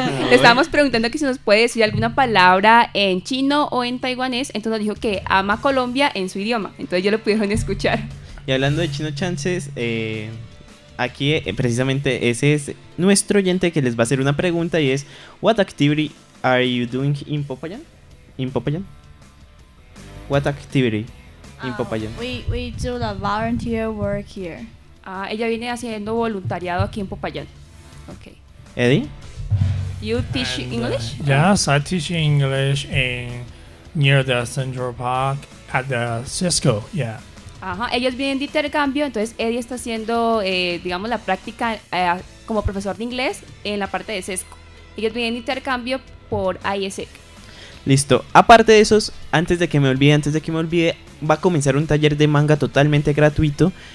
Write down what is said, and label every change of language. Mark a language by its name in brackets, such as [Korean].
[Spanish] Estábamos preguntando que si nos puede decir alguna palabra en chino o en taiwanés. Entonces dijo que ama Colombia en su idioma. Entonces ya lo pudieron escuchar. Y hablando de chino chances, aquí precisamente ese es nuestro oyente que les va a hacer una pregunta. Y es, [English] what activity are you doing in Popayán? ¿In Popayán? What activity in Popayán? We do the volunteer work here. [Spanish] Ella viene haciendo voluntariado aquí en Popayán. Okay. Eddie? [English] You teach and, English? Yes, I teach English in near the Central Park at the Cisco, yeah. [Spanish] Ajá, ellos vienen de intercambio, entonces Eddie está haciendo, digamos, la práctica como profesor de inglés en la parte de Cisco. Ellos vienen de intercambio por ISEC. Listo. Aparte de esos, antes de que me olvide, va a comenzar un taller de manga totalmente gratuito.